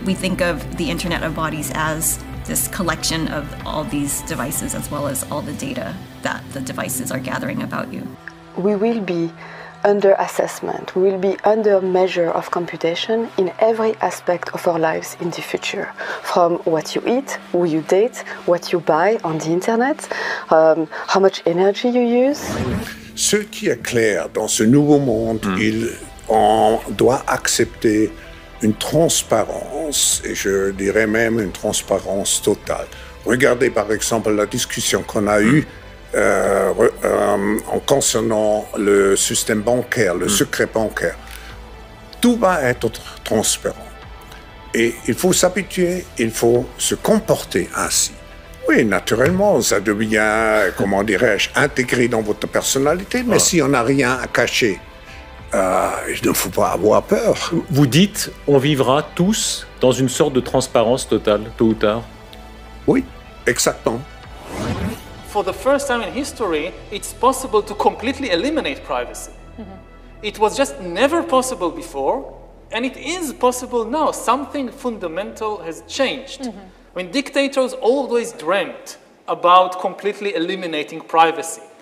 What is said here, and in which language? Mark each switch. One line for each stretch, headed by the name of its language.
English: We think of the Internet of Bodies as this collection of all these devices as well as all the data that the devices are gathering about you. We will be under assessment, we will be under measure of computation in every aspect of our lives in the future. From what you eat, who you date, what you buy on the internet, how much energy you use.
French: Ce qui est clair dans ce nouveau monde, on doit accepter une transparence, et je dirais même une transparence totale. Regardez par exemple la discussion qu'on a eue en concernant le système bancaire, le secret bancaire. Tout va être transparent. Et il faut s'habituer, il faut se comporter ainsi. Oui, naturellement, ça devient, comment dirais-je, intégré dans votre personnalité, mais si on n'a rien à cacher, il ne faut pas avoir peur. Vous dites, on vivra tous dans une sorte de transparence totale, tôt ou tard. Oui, exactement.
English: For the first time in history, it's possible to completely eliminate privacy. Mm-hmm. It was just never possible before, and it is possible now. Something fundamental has changed. Mm-hmm. I mean, dictators always dreamt about completely eliminating privacy.